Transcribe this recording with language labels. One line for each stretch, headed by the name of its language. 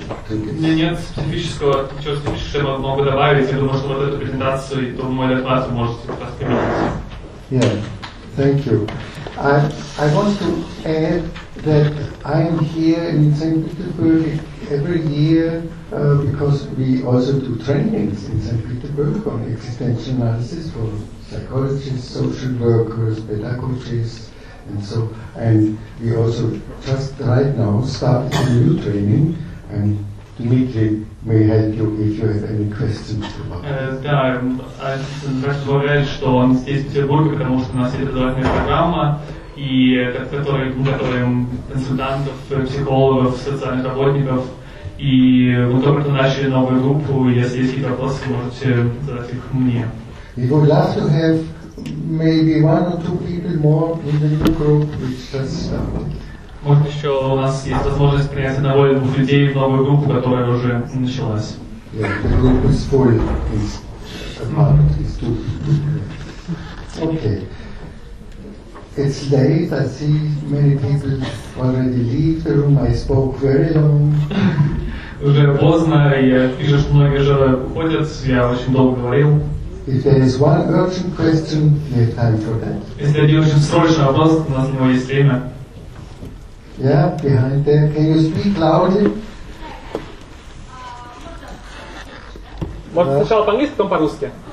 Russian: Нет специфического, ничего специфического я могу добавить. Я думаю, что вот эту презентацию и то мой доклад вы можете воспринимать.
English: Yeah, thank you. I want to add that I am here in St. Petersburg every year because we also do trainings in St. Petersburg on existential analysis for psychologists, social workers, pedagogists. And so, and we also just right now start a new training, and Dmitry may help you if you have any questions about it.
Russian: Да, разговаривает, что он здесь в Петербурге, потому что у нас есть образовательная программа, и которой мы готовим консультантов, психологов, социальных работников, и мы только начали новую группу. Если есть какие-то вопросы, можете задать их мне.
English: We would love to have maybe one or two people more in the new group, which has started.
Russian: Может еще у нас есть возможность принять одного или двух людей в новую группу, которая уже началась.
English: Yeah, the group is full. It's apart. It's too full. Okay. It's late. I see many people already leave the room. I spoke very long.
Russian: Уже поздно. Я вижу, что многие уже уходят. Я очень долго говорил.
English: If there is one urgent question, we have time for that.
Russian: Если один очень срочный вопрос, у нас у него есть время.
English: Yeah, behind there. Can you speak loudly?
Russian: Может, сначала по-английски, потом по-русски.